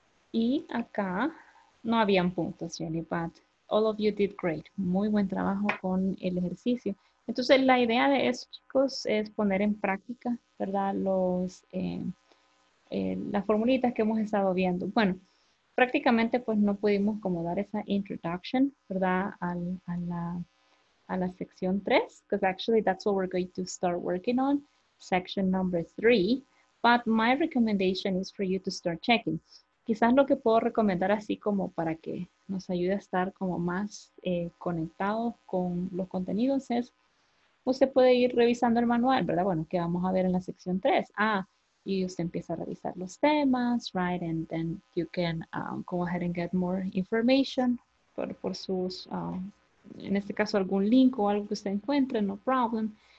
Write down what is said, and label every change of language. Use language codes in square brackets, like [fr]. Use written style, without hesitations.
[es] Y acá no habían puntos, [en] really, but all of you did great. [es] Muy buen trabajo con el ejercicio. Entonces, la idea de esto, chicos, es poner en práctica, ¿verdad? Los, las formulitas que hemos estado viendo. Bueno, prácticamente, pues, no pudimos como dar esa introduction, ¿verdad? A la sección 3, [en] because actually that's what we're going to start working on. Section number 3, but my recommendation is for you to start checking. [es] Quizás lo que puedo recomendar así como para que nos ayude a estar como más conectados con los contenidos es, usted puede ir revisando el manual, ¿verdad? Bueno, ¿qué vamos a ver en la sección 3? Ah, y usted empieza a revisar los temas, right? [en] And then you can go ahead and get more information [es] por sus, en este caso algún link o algo que usted encuentre, [en] no problem.